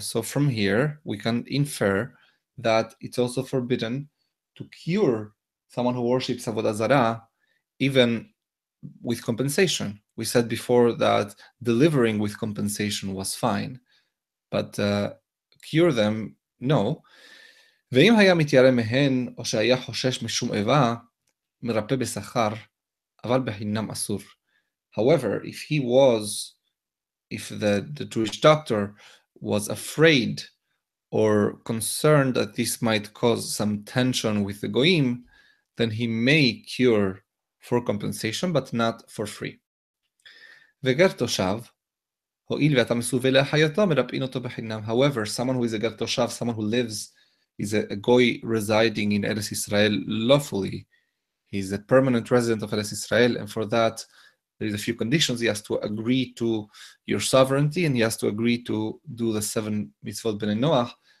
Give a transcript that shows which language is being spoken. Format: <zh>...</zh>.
<en>So from here, we can infer that it's also forbidden to cure someone who worships avodah zarah, even with compensation. We said before that delivering with compensation was fine, but cure them, no.</en> <he>ואם היה מתיירא מהן או שהיה חושש משום איבה, מרפא בשכר, אבל בחינם אסור.</he> <en>However, if the Jewish doctor was afraid or concerned that this might cause some tension with the goyim, then he may cure for compensation, but not for free.</en> <he>וגר תושב, הואיל ואתה מסווה להחייתו, מרפאין אותו בחינם.</he> <en>However, someone who is a גר תושב, someone who lives, is a goy residing in Eretz Israel lawfully. He's a permanent resident of Eretz Israel, and for that, there is a few conditions. He has to agree to your sovereignty, and he has to agree to do the seven mitzvot b'nei Noach.</en>